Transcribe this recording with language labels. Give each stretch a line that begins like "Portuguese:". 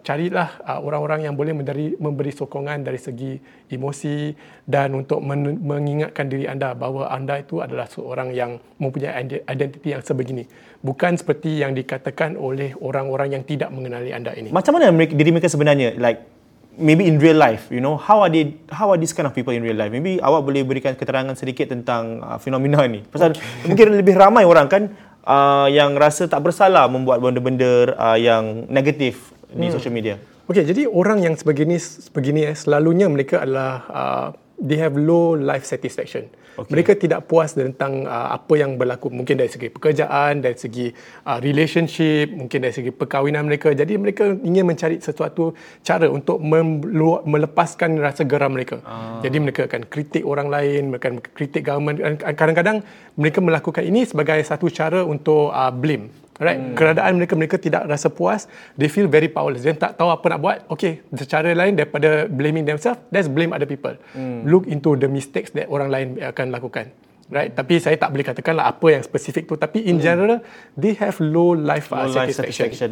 Malay: Carilah orang-orang yang boleh memberi sokongan dari segi emosi dan untuk mengingatkan diri anda bahawa anda itu adalah seorang yang mempunyai identiti yang sebegini. Bukan seperti yang dikatakan oleh orang-orang yang tidak mengenali anda ini. Macam mana diri mereka sebenarnya?
English: Like, maybe in real life, you know, how are these kind of people in real life?
Malay: Maybe awak boleh berikan keterangan sedikit tentang fenomena ini. Pasal mungkin lebih ramai orang kan yang rasa tak bersalah membuat benda-benda yang negatif di social media. Okay, jadi orang yang sebegini, selalunya mereka adalah
English: they have low life satisfaction.
Malay: Okay. Mereka tidak puas tentang apa yang berlaku. Mungkin dari segi pekerjaan, dari segi relationship, mungkin dari segi perkahwinan mereka. Jadi mereka ingin mencari sesuatu cara untuk melepaskan rasa geram mereka. Jadi mereka akan kritik orang lain, mereka akan kritik government. Kadang-kadang mereka melakukan ini sebagai satu cara untuk blame. Right? Keadaan mereka tidak rasa puas.
English: They feel very powerless.
Malay: Dia tak tahu apa nak buat.
English: Okay,
Malay: secara lain daripada
English: blaming themselves, let's blame other people. Look into the mistakes that
Malay: orang lain akan lakukan.
English: Right?
Malay: Tapi saya tak boleh katakanlah apa yang spesifik tu. Tapi
English: in general, they have low life satisfaction.